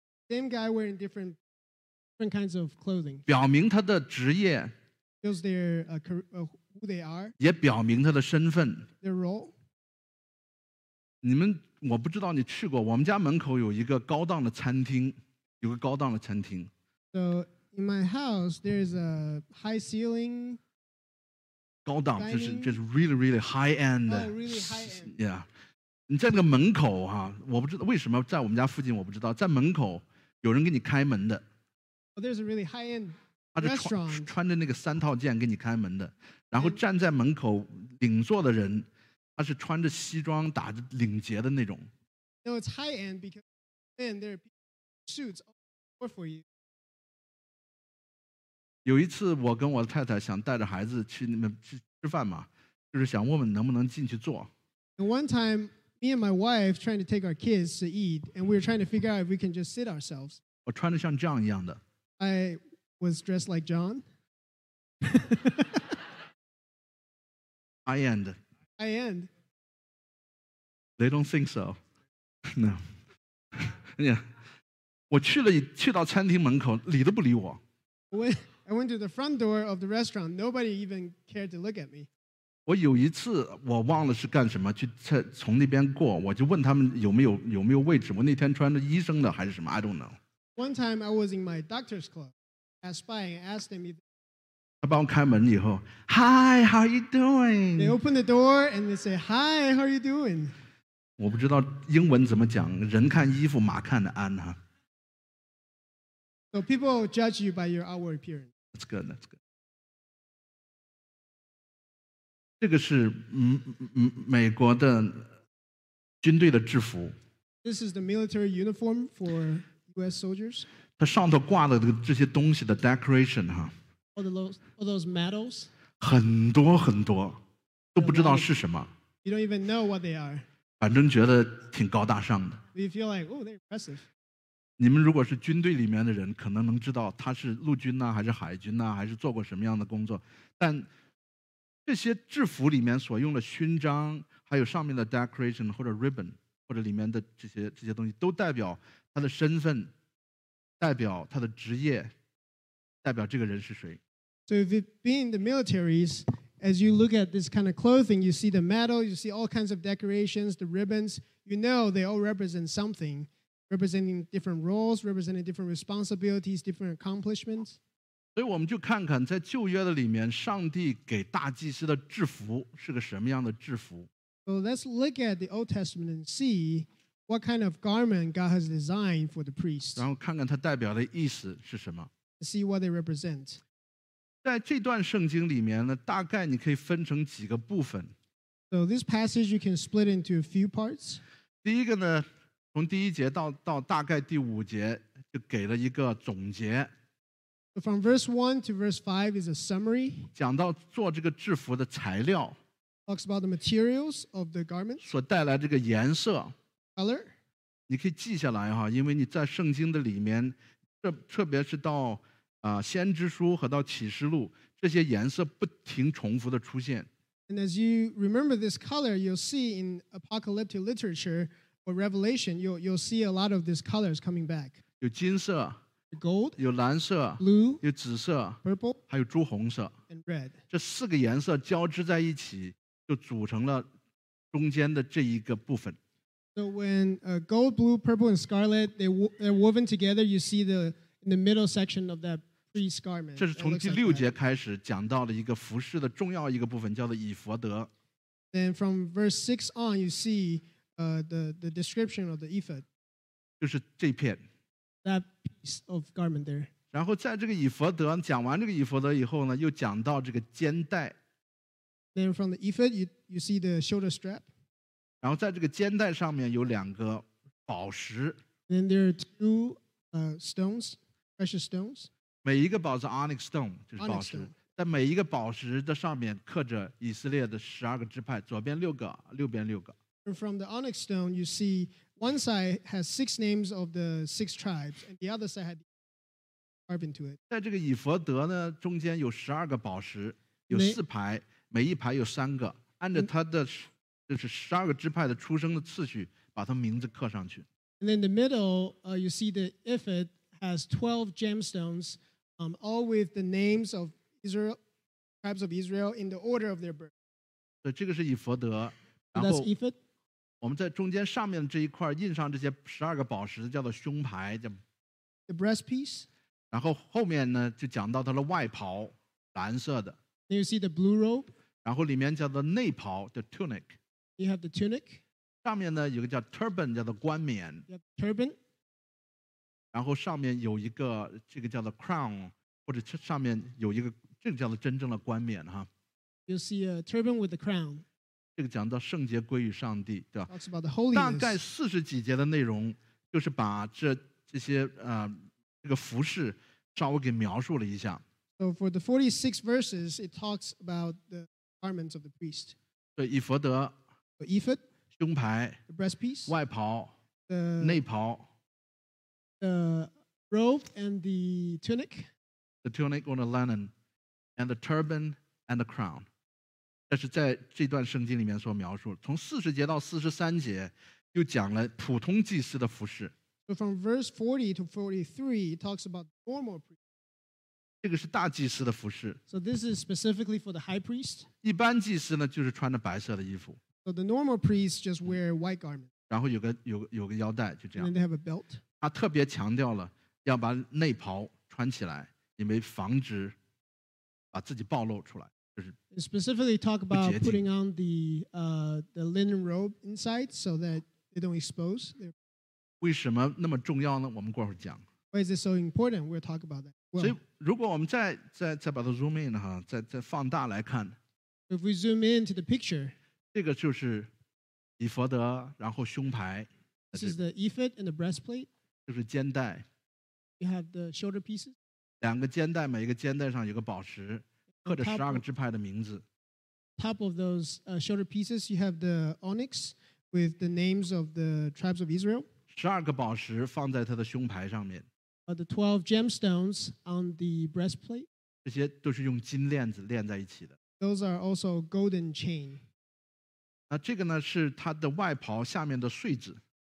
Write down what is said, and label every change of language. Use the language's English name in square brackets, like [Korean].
[English] Same guy wearing different kinds of clothing. [Chinese] 表明他的职业, [English] shows their who they are. [Chinese] 也表明他的身份, [English] their role. [Chinese] 你们, 我不知道你去过, 我们家门口有一个高档的餐厅, 有个高档的餐厅。 [English] So in my house, there is a high ceiling. [Chinese] 高档, 就是 [English] really, really high end. Oh, really high end. Yeah. [Chinese] 你在那个门口啊, 我不知道, 为什么在我们家附近, 我不知道, 在门口, 有人给你开门的。 [English] Oh, there's a really high end restaurant. [Chinese] 他是穿着那个三套件给你开门的, 然后站在门口, 领座的人, 他是穿着西装, 打着领结的那种。 [English] No, it's high end because then there are suits all for you. [Chinese] 有一次我跟我太太想带着孩子去那边吃饭嘛, 就是想问问能不能进去坐。 [English] And one time, me and my wife trying to take our kids to eat, and we were trying to figure out if we can just sit ourselves. [Chinese] 我穿得像John一样的。 [English] I was dressed like John. High end. High end. They don't think so. No. Yeah. [Chinese] 我去了,去到餐厅门口, 理都不理我。 [English] I went to the front door of the restaurant. Nobody even cared to look at me. [Chinese] 我有一次我忘了是干什么,去从那边过, 我就问他们有没有位置, 我那天穿着医生的还是什么, [English] I don't know. One time I was in my doctor's club, passed by and asked them if... [Chinese] 他帮我开门以后, [English] Hi, how are you doing? They opened the door and they say, Hi, how are you doing? [Chinese] 我不知道英文怎么讲, 人看衣服,马看的安, huh? [English] So people judge you by your outward appearance. That's good, that's good. [Chinese] 这个是美国的军队的制服。 [English] This is the military uniform for U.S. soldiers. [Chinese] 它上头挂的这些东西的decoration, huh? [English] All those medals? [Chinese] 很多很多。都不知道是什么。 [English] You don't even know what they are. [Chinese] 反正觉得挺高大上的。 [English] You feel like, oh, they're impressive. [Chinese] 你们如果是军队里面的人，可能能知道他是陆军呢，还是海军呢，还是做过什么样的工作。但这些制服里面所用的勋章，还有上面的 decoration 或者 ribbon， 或者里面的这些东西，都代表他的身份，代表他的职业，代表这个人是谁。 [English] So if it being the militaries, as you look at this kind of clothing, you see the medal, you see all kinds of decorations, the ribbons, you know they all represent something, representing different roles, representing different responsibilities, different accomplishments. [Chinese] 所以我们就看看在旧约的里面，上帝给大祭司的制服是个什么样的制服。 [English] So let's look at the Old Testament and see what kind of garment God has designed for the priest. [Chinese] 然后看看它代表的意思是什么。 [English] See what they represent. [Chinese] 在这段圣经里面呢，大概你可以分成几个部分。 [English] So this passage you can split into a few parts. [Chinese] 第一个呢，从第一节 到大概第五节，就给了一个总结。 [English] So from verse 1 to verse 5 is a summary. [Chinese] 讲到做这个制服的材料。 [English] Talks about the materials of the garments. [Chinese] 所带来这个颜色。 [English] Color. [Chinese] 你可以记下来哈，因为你在圣经的里面，特别是到先知书和到启示录，这些颜色不停重复的出现。 [English] And as you remember this color, you'll see in apocalyptic literature or Revelation, you'll see a lot of these colors coming back. [Chinese] 有金色 [English] ，gold， [Chinese] 有蓝色 [English] ，blue， [Chinese] 有紫色 [English] ，purple， [Chinese] 还有朱红色 [English] ，and red。 [Chinese] 这四个颜色交织在一起，就组成了中间的这一个部分。 [English] So when gold, blue, purple, and scarlet they're woven together, you see the in the middle section of that priest's garment. [Chinese] 这是从第六节开始讲到了一个服饰的重要一个部分，叫做以弗德。 [English] Then from verse 6 on, you see the description of the ephod. [Chinese] 就是这片。 [English] That piece of garment there. [Chinese] 然后在这个以弗德，讲完这个以弗德以后呢，又讲到这个肩带。 [English] Then from the ephod, you see the shoulder strap. [Chinese] 然后在这个肩带上面有两个宝石。 [English] Then there are two stones. Precious stones. [Chinese] 每一个宝石 onyx stone 就是宝石，在每一个宝石的上面刻着以色列的十二个支派，左边六个，右边六个。 [English] And from the onyx stone, you see one side has six names of the six tribes, and the other side had carved into it. [Chinese] 在这个以弗德呢，中间有十二个宝石，有四排，每一排有三个，按照它的就是十二个支派的出生的次序，把它名字刻上去。 [English] And in the middle, you see the ephod. Has 12 gemstones, all with the names of Israel, tribes of Israel in the order of their birth. [Chinese] So, 这个是以弗德， [English] 然后 that's ephod. [Chinese] 我们在中间上面这一块印上这些十二个宝石，叫做胸牌，叫 [English] the breastpiece. [Chinese] 然后后面呢就讲到它的外袍，蓝色的。 [English] Then you see the blue robe. [Chinese] 然后里面叫做内袍，叫 tunic. [English] You have the tunic. [Chinese] 上面呢有个叫 turban， 叫做冠冕。 [English] You have turban. [Chinese] 然后上面有一个这个叫做 crown， 或者上面有一个这个叫做真正的冠冕哈。 [English] You see a turban with a crown。 [Chinese] 这个讲到圣洁归于上帝，对吧 [English] ？Talks about the holiness。 [Chinese] 大概四十几节的内容，就是把这些这个服饰稍微给描述了一下。 [English] So for the 46 verses, it talks about the garments of the priest。 [Chinese] 对，以弗德。 [English] The ephod。 [Chinese] 胸牌。 [English] The breastpiece。 [Chinese] 外袍。 [English] The [Chinese] 内袍。 [English] The robe and the tunic. The tunic on the linen and the turban and the crown. [Chinese] 这是在这段圣经里面所描述。从四十节到四十三节又讲了普通祭司的服饰。 [English] So from verse 40 to 43, it talks about normal priests. [Chinese] 这个是大祭司的服饰。 [English] So this is specifically for the high priest. [Chinese] 一般祭司呢就是穿着白色的衣服。 [English] So the normal priests just wear white garments. [Chinese] 然后有个腰带就这样。 [English] And they have a belt. [Chinese] 他特别强调了要把内袍穿起来，因为防止把自己暴露出来，就是 [English] specifically talk about putting on the linen robe inside so that they don't expose. [Chinese] 为什么那么重要呢？我们过会儿讲。 [English] Why is it so important? We'll talk about that. [Chinese] 所以如果我们再把它 zoom in 哈，再放大来看。 [English] If we zoom into the picture, [Chinese] 这个就是以弗德，然后胸牌。 [English] This is the ephod and the breastplate. [Chinese] 就是肩带 [English] you have the shoulder pieces. [Chinese] 两个肩带每一个肩带上有个宝石刻着十二个支派的名字 [English] top of those shoulder pieces, you have the onyx with the names of the tribes of Israel. [Chinese] 12个宝石放在他的胸牌上面。 [English] The 12 gemstones on the breastplate. [Chinese] 这些都是用金链子链在一起的。 [English] Those are also golden chain. [Chinese] 那这个呢，是他的外袍下面的穗子。